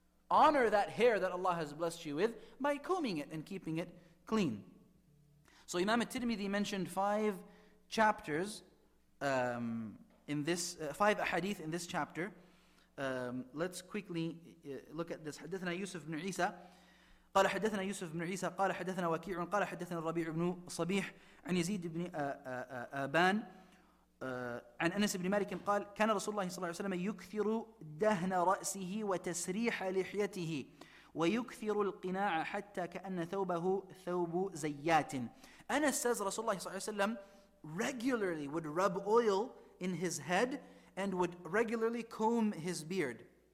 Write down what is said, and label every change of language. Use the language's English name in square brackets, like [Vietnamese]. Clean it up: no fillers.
[English] Honor that hair that Allah has blessed you with by combing it and keeping it clean. So Imam at-Tirmidhi mentioned five chapters five ahadith in this chapter. Let's quickly look at this. [Arabic] حدثنا يوسف بن عيسى قال حدثنا يوسف بن عيسى قال حدثنا وكيع قال حدثنا الربيع بن صبيح عن يزيد بن آبان عن أنس بن مالك قال كان رسول الله صلى الله عليه وسلم يكثر دهن رأسه وتسريح لحيته ويكثر القناع حتى كأن ثوبه ثوب زيات. [English] أنس says رسول الله صلى الله عليه وسلم regularly would rub oil in his head and would regularly comb his beard.